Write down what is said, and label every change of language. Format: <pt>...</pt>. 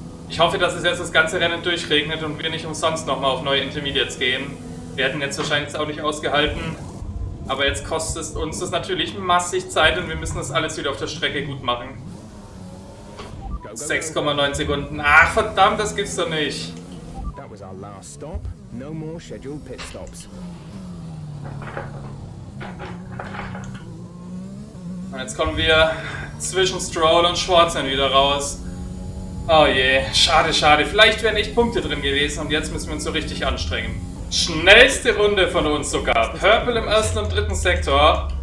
<de>Ich hoffe, dass es jetzt das ganze Rennen durchregnet und wir nicht umsonst nochmal auf neue Intermediates gehen. Wir hätten jetzt wahrscheinlich auch nicht ausgehalten. Aber jetzt kostet uns das natürlich massig Zeit und wir müssen das alles wieder auf der Strecke gut machen. 6,9 Sekunden. Ach verdammt, das gibt's doch nicht.</de> <en>That was our last stop. No more scheduled pit stops.</en> <de>Und jetzt kommen wir zwischen Stroll und Schwarzen wieder raus. Oh je, schade, schade. Vielleicht wären echt Punkte drin gewesen und jetzt müssen wir uns so richtig anstrengen. Schnellste Runde von uns sogar. Purple im ersten und dritten Sektor.</de>